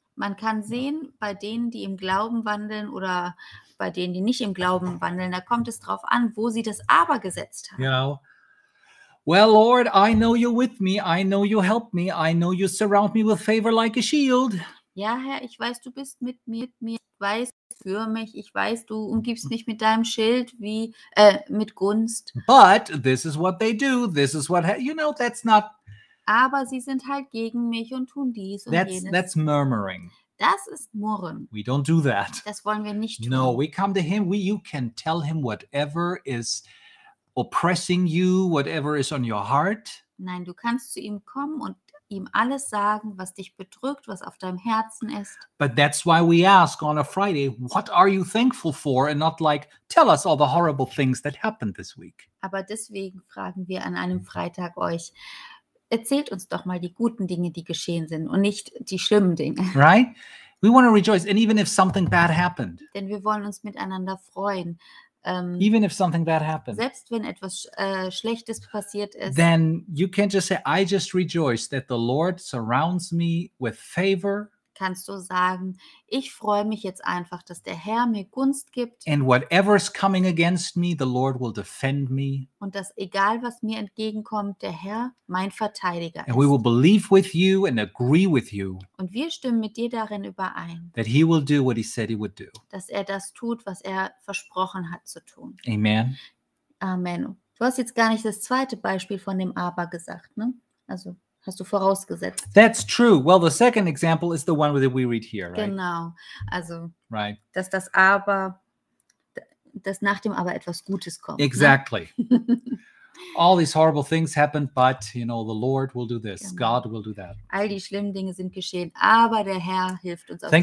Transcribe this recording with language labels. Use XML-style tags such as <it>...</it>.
<de>Man kann sehen, bei denen, die im Glauben wandeln oder bei denen, die nicht im Glauben wandeln, da kommt es drauf an, wo sie das Aber gesetzt haben.</de> <en>You know, well, Lord, I know you're with me, I know you help me, I know you surround me with favor like a shield.</en> <de>Ja, Herr, ich weiß, du bist mit mir, ich weiß, für mich, ich weiß, du umgibst mich mit deinem Schild wie mit Gunst.</de> <en>But this is what they do, this is what, you know, that's not...</en> <de>Aber sie sind halt gegen mich und tun dies und</de> <en>that's,</en> <de>jenes.</de> <en>That's murmuring.</en> <de>Das ist Murren.</de> <en>We don't do that.</en> <de>Das wollen wir nicht tun.</de> <en>No, we come to him. You can tell him whatever is oppressing you, whatever is on your heart.</en> <de>Nein, du kannst zu ihm kommen und ihm alles sagen, was dich bedrückt, was auf deinem Herzen ist.</de> <en>But that's why we ask on a Friday, what are you thankful for? And not like, tell us all the horrible things that happened this week.</en> <de>Aber deswegen fragen wir an einem Freitag euch, erzählt uns doch mal die guten Dinge, die geschehen sind und nicht die schlimmen Dinge.</de> <en>Right? We want to rejoice, and even if something bad happened.</en> <de>Denn wir wollen uns miteinander freuen.</de> <en>Even if something bad happened.</en> <de>Selbst wenn etwas Schlechtes passiert ist.</de> <en>Then you can't just say, I just rejoice that the Lord surrounds me with favor.</en> <de>Kannst du sagen, ich freue mich jetzt einfach, dass der Herr mir Gunst gibt.</de> <en>And whatever is coming against me, the Lord will defend me.</en> <de>Und dass egal, was mir entgegenkommt, der Herr mein Verteidiger ist.</de> <en>And we will believe with you and agree with you.</en> <de>Und wir stimmen mit dir darin überein.</de> <en>That he will do what he said he would do.</en> <de>Dass er das tut, was er versprochen hat zu tun.</de> <en>Amen.</en> <de>Amen. Du hast jetzt gar nicht das zweite Beispiel von dem Aber gesagt, ne? Also... Hast du vorausgesetzt.</de> <en>That's true. Well, the second example is the one that we read here, right?</en> <de>Genau. Also,</de> <en>right.</en> <de>Dass das Aber, dass nach dem Aber etwas Gutes kommt.</de> <en>Exactly. All these horrible things happened, but, you know, the Lord will do this. Genau. God will do that.</en> <de>All die schlimmen Dinge sind geschehen, aber der Herr hilft uns aus allem.</de>